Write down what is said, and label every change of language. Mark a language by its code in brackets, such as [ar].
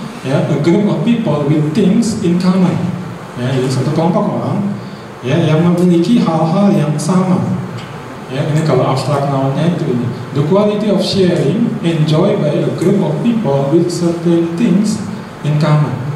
[en] Ya, a group of people with things in common. [id] Ya, jadi satu kelompok orang ya, yang memiliki hal-hal yang sama. Ya, ini kalau abstract noun-nya itu ini. [en] The quality of sharing enjoyed by a group of people with certain things in common.